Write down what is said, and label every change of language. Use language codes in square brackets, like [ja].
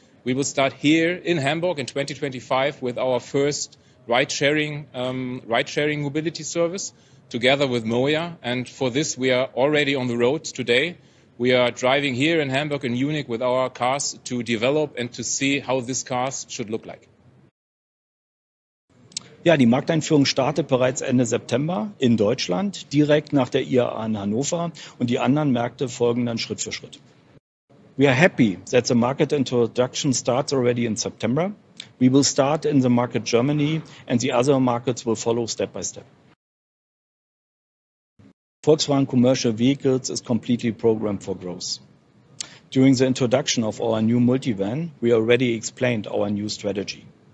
[en] We will start here in Hamburg in 2025 with our first ride-sharing mobility service together with Moya. And for this, we are already on the road today. We are driving here in Hamburg and Munich with our cars to develop and to see how these cars should look like. [de] Ja, die Markteinführung startet bereits Ende September in Deutschland, direkt nach der IAA in Hannover, und die anderen Märkte folgen dann Schritt für Schritt. [en] We are happy that the market introduction starts already in September. We will start in the market Germany and the other markets will follow step by step. Volkswagen Commercial Vehicles is completely programmed for growth. During the introduction of our new multivan, we already explained our new strategy.